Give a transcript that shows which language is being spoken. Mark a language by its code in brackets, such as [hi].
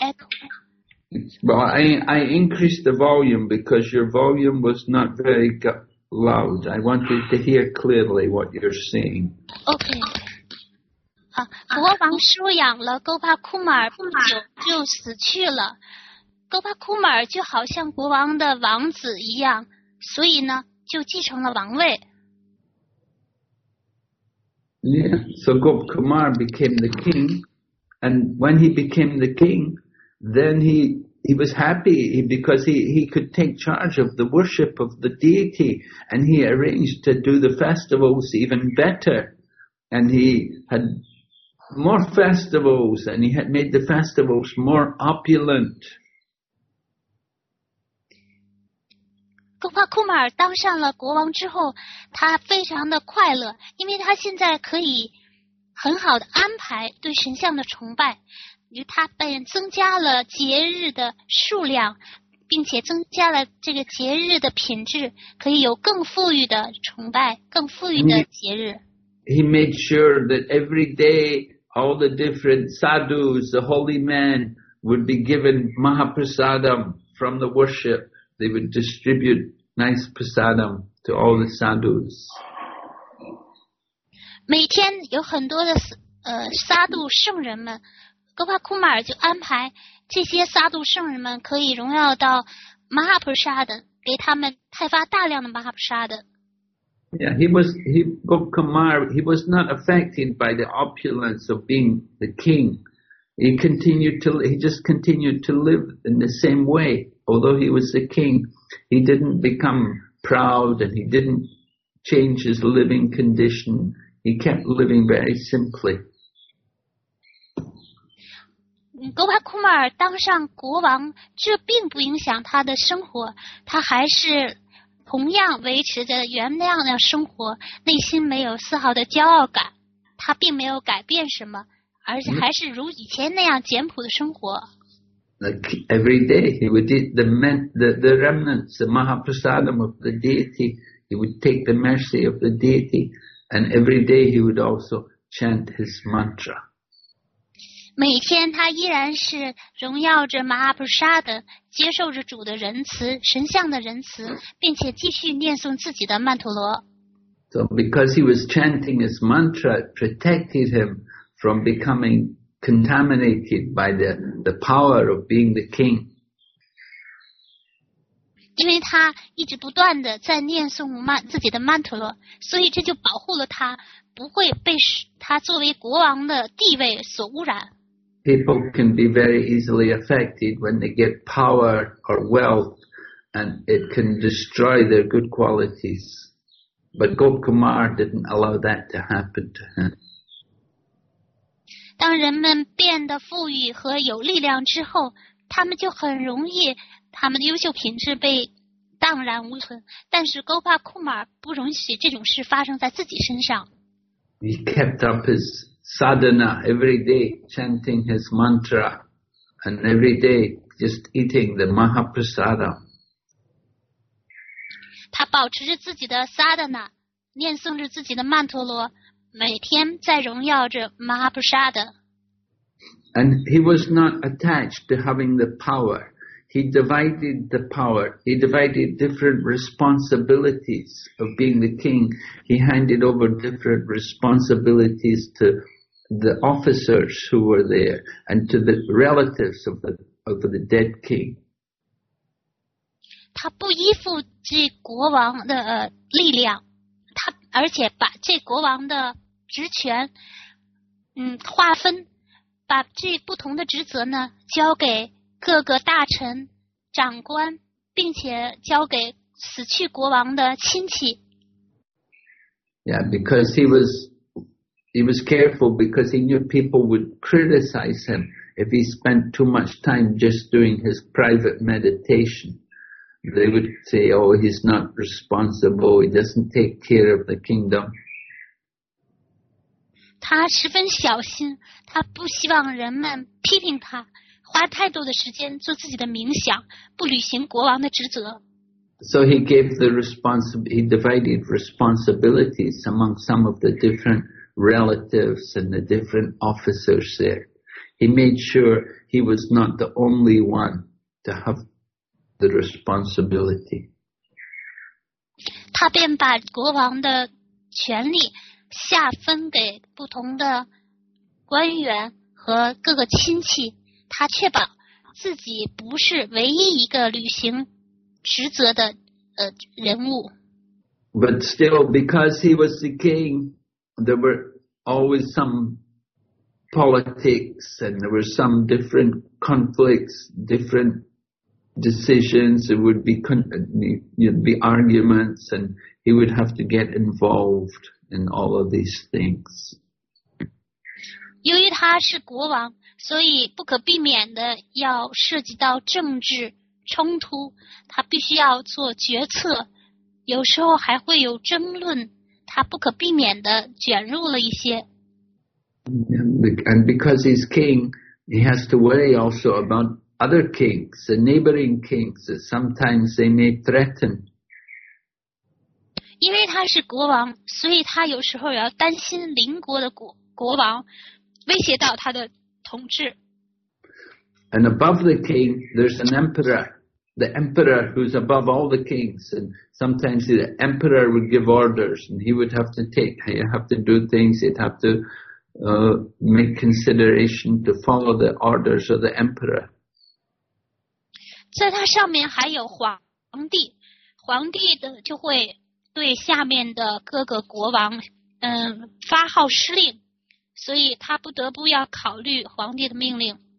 [en] an echo. Well, I increased the volume because your volume was not very loud. I wanted to hear clearly what you're saying. Okay. [zh] 国王收养了古巴库马尔不久就死去了。高帕库马尔就好像国王的王子一样，所以呢，就继承了王位。 [en] Yeah, so Gop Kumar became the king, and when he became the king, then he was happy because he could take charge of the worship of the deity, and he arranged to do the festivals even better, and he had more festivals, and he had made the festivals more opulent. [zh] 高帕库马尔当上了国王之后，他非常的快乐，因为他现在可以很好的安排对神像的崇拜，于他便增加了节日的数量，并且增加了这个节日的品质，可以有更富裕的崇拜，更富裕的节日。 [en] He made sure that every day all the different sadhus, the holy men, would be given mahaprasadam from the worship. They would distribute nice prasadam to all the sadhus. [zh] 每天有很多的萨杜圣人们，格帕库马尔就安排这些萨杜圣人们可以荣耀到玛哈普沙的，给他们派发大量的玛哈普沙的。 [en] Yeah, he was not affected by the opulence of being the king. He just continued to live in the same way. Although he was the king, he didn't become proud and he didn't change his living condition. He kept living very simply. [zh] Gopa Kumar 当上国王，这并不影响他的生活，他还是同样维持着原样的生活，内心没有丝毫的骄傲感，他并没有改变什么，而且还是如以前那样简朴的生活。 [en] Like every day, he would eat the remnants, the mahaprasadam of the deity. He would take the mercy of the deity, and every day he would also chant his mantra. [zh] 每天他依然是荣耀着 mahaprasada, 接受着主的仁慈，神像的仁慈，并且继续念诵自己的曼陀罗。 [en] So because he was chanting his mantra, it protected him from becoming. Contaminated by the power of being the king. [zh] 因为他一直不断的在念诵自己的曼陀罗，所以这就保护了他，不会被他作为国王的地位所污染。 [en] People can be very easily affected when they get power or wealth, and it can destroy their good qualities. But Gop Kumar didn't allow that to happen to him. [zh] 当人们变得富裕和有力量之后，他们就很容易，他们的优秀品质被荡然无存。但是高帕库马不容许这种事发生在自己身上。 [en] He kept up his sadhana every day, chanting his mantra, and every day just eating the mahaprasada. [zh] 他保持着自己的 sadhana, 念诵着自己的曼陀罗，每天在荣耀着马哈普沙德。 [en] And he was not attached to having the power. He divided the power. He divided different responsibilities of being the king. He handed over different responsibilities to the officers who were there and to the relatives of the dead king. [zh] 他不依附这国王的力量，他而且把这国王的职权，划分。把这不同的职责呢交给各个大臣长官，并且交给死去国王的亲戚。 [en] Yeah, because he was careful because he knew people would criticize him if he spent too much time just doing his private meditation. They would say, "Oh, he's not responsible. He doesn't take care of the kingdom." [zh] 他十分小心。他不希望人们批评他花太多的时间做自己的冥想，不履行国王的职责。 [en] So he gave the responsibility, he divided responsibilities among some of the different relatives and the different officers there. He made sure he was not the only one to have the responsibility. [zh] 他便把国王的权力下分给不同的官员和各个亲戚，他确保自己不是唯一一个履行职责的人物。 [en] But still, because he was the king, there were always some politics and there were some different conflicts, different decisions. There would be arguments, and he would have to get involved in all of these things. [zh] 由于他是国王，所以不可避免的要涉及到政治冲突，他必须要做决策，有时候还会有争论，他不可避免的卷入了一些。 [en] And because he's king, he has to worry also about other kings, the neighboring kings, that sometimes they may threaten. [zh] 因为他是国王，所以他有时候要担心邻国的国王。威胁到他的统治。 [en] And above the king, there's an emperor. The emperor who's above all the kings. And sometimes the emperor would give orders and he would have to take, he'd have to do things, he'd have to make consideration to follow the orders of the emperor. [zh] 在他上面还有皇帝，皇帝的就会对下面的各个国王发号施令。所以他不得不要考虑皇帝的命令。